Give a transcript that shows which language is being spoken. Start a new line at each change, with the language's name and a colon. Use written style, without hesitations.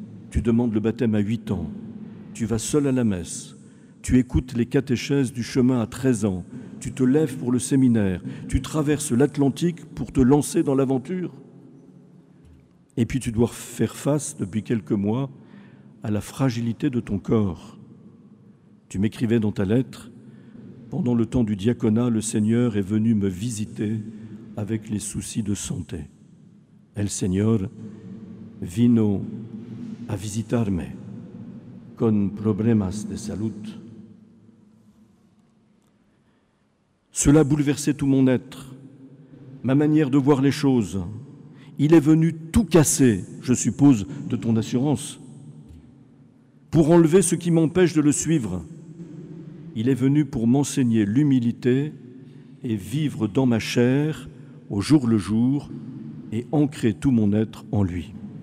French: Tu demandes le baptême à 8 ans, tu vas seul à la messe, tu écoutes les catéchèses du chemin à 13 ans, tu te lèves pour le séminaire, tu traverses l'Atlantique pour te lancer dans l'aventure. Et puis tu dois faire face depuis quelques mois à la fragilité de ton corps. Tu m'écrivais dans ta lettre, pendant le temps du diaconat, le Seigneur est venu me visiter avec les soucis de santé.
Spanish: El Señor vino a visitarme con problemas de salud.
French: Cela bouleversait tout mon être, ma manière de voir les choses. Il est venu tout casser, je suppose, de ton assurance, pour enlever ce qui m'empêche de le suivre. Il est venu pour m'enseigner l'humilité et vivre dans ma chair au jour le jour et ancrer tout mon être en lui.